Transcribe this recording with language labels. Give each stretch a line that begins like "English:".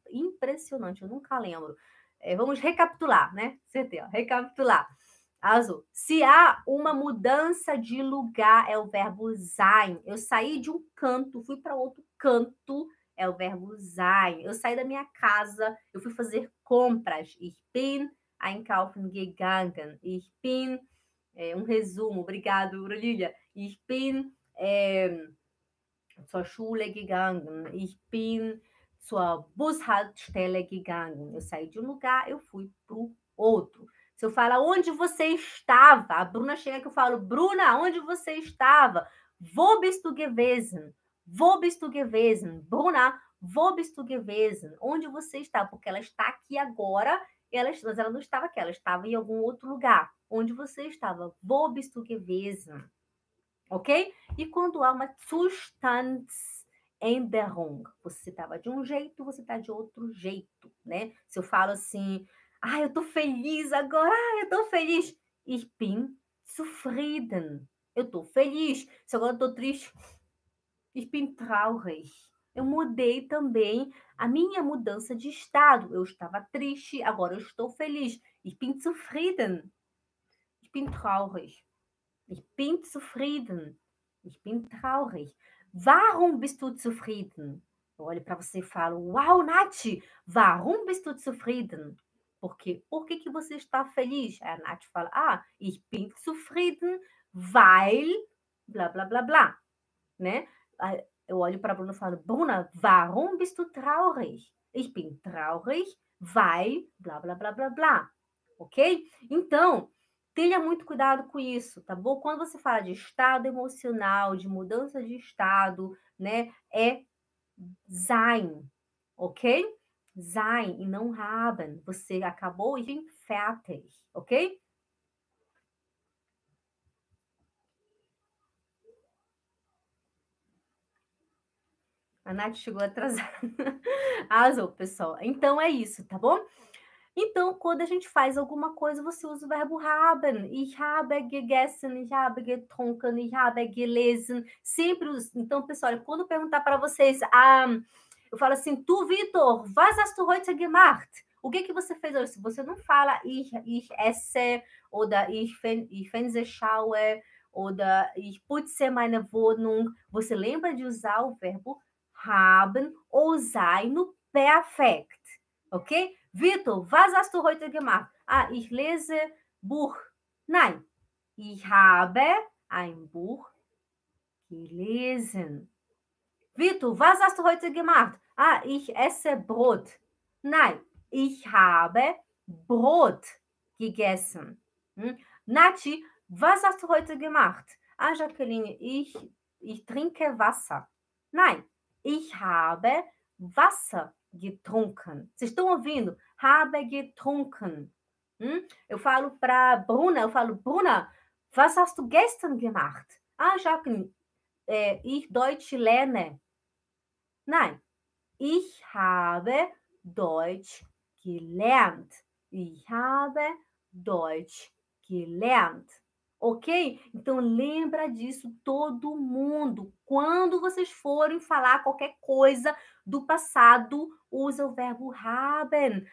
Portuguese: Impressionante, eu nunca lembro. Vamos recapitular, né? Certeza, recapitular. Azul. Se há uma mudança de lugar, é o verbo sein. Eu saí de um canto, fui para outro canto, é o verbo sein. Eu saí da minha casa, eu fui fazer compras.
German: Ich bin einkaufen gegangen. Ich bin.
Portuguese: Um resumo, obrigado, Brulília.
German: Ich bin zur Schule gegangen. Ich bin.
Portuguese: Sua
German: Bushaltestelle gegangen.
Portuguese: Eu saí de um lugar, eu fui pro outro. Se eu falar onde você estava, a Bruna chega que eu falo, Bruna, onde você estava?
German: Wo bist du gewesen? Wo bist du gewesen? Bruna, wo bist du gewesen?
Portuguese: Onde você está? Porque ela está aqui agora, mas ela não estava aqui, ela estava em algum outro lugar. Onde você estava?
German: Wo bist du gewesen? Ok?
Portuguese: E quando há uma Zustands. Änderung. Você estava de um jeito, você está de outro jeito, né? Se eu falo assim, ah, eu tô feliz agora, ah, eu tô feliz.
German: Ich bin zufrieden.
Portuguese: Eu tô feliz. Se agora eu tô triste,
German: ich bin traurig.
Portuguese: Eu mudei também a minha mudança de estado. Eu estava triste, agora eu estou feliz.
German: Ich bin zufrieden. Ich bin traurig. Ich bin zufrieden. Ich bin traurig. Warum bist du zufrieden?
Portuguese: Eu olho para você e falo, uau, Nath,
German: warum bist du zufrieden?
Portuguese: Por que que você está feliz? Aí a Nath fala, ah,
German: ich bin zufrieden, weil,
Portuguese: blá, blá, blá, blá. Né? Eu olho para a Bruna e falo, Bruna,
German: warum bist du traurig? Ich bin traurig, weil,
Portuguese: blá, blá, blá, blá, blá. Ok? Então, tenha muito cuidado com isso, tá bom? Quando você fala de estado emocional, de mudança de estado, né? É sein, ok? Sein e não haben. Você acabou e vem fertig, ok? A Nath chegou atrasada. Arrasou, pessoal. Então é isso, tá bom? Então, quando a gente faz alguma coisa, você usa o verbo haben.
German: Ich habe gegessen, ich habe getrunken, ich habe gelesen.
Portuguese: Sempre usa. Então, pessoal, quando perguntar para vocês, eu falo assim: Tu, Vitor,
German: was hast du heute gemacht?
Portuguese: O que que você fez hoje? Você não fala ich esse, ou da ich Fernsehschaue, ou da
German: ich putze meine Wohnung.
Portuguese: Você lembra de usar o verbo haben ou sein no perfect, ok?
German: Vitor, was hast du heute gemacht? Ah, ich lese Buch. Nein, ich habe ein Buch gelesen. Vitor, was hast du heute gemacht? Ah, ich esse Brot. Nein, ich habe Brot gegessen. Nati, was hast du heute gemacht? Ah, Jacqueline, ich trinke Wasser. Nein, ich habe Wasser getrunken.
Portuguese: Vocês estão ouvindo?
German: Habe getrunken.
Portuguese: Eu falo para Bruna, eu falo, Bruna,
German: was hast du gestern gemacht? Ah, Jacqueline, ich Deutsch lerne. Nein, ich habe Deutsch gelernt. Ich habe Deutsch gelernt.
Portuguese: Ok? Então lembra disso todo mundo. Quando vocês forem falar qualquer coisa do passado, usa o verbo haben.